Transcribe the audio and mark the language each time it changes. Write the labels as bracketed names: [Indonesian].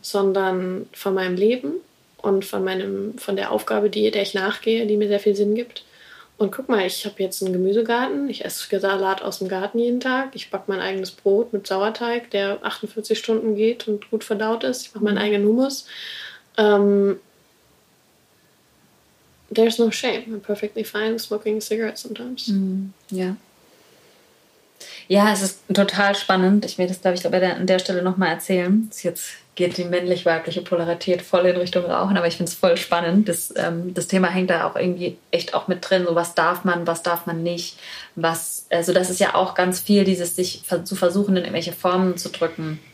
[German] sondern von meinem Leben und von der Aufgabe, der ich nachgehe, die mir sehr viel Sinn gibt. Und guck mal, ich habe jetzt einen Gemüsegarten, ich esse Salat aus dem Garten jeden Tag, ich backe mein eigenes Brot mit Sauerteig, der 48 Stunden geht und gut verdaut ist, ich mache meinen eigenen Hummus. [English] There's no shame, I'm perfectly fine smoking a cigarette sometimes. Mm, yeah. [German] Ja, es ist total spannend. Ich werde das, glaube ich, an der Stelle nochmal erzählen. Jetzt geht die männlich-weibliche Polarität voll in Richtung Rauchen, aber ich finde es voll spannend. Das Thema hängt da auch irgendwie echt auch mit drin. So, was darf man nicht? Also das ist ja auch ganz viel, dieses sich zu versuchen, in irgendwelche Formen zu drücken.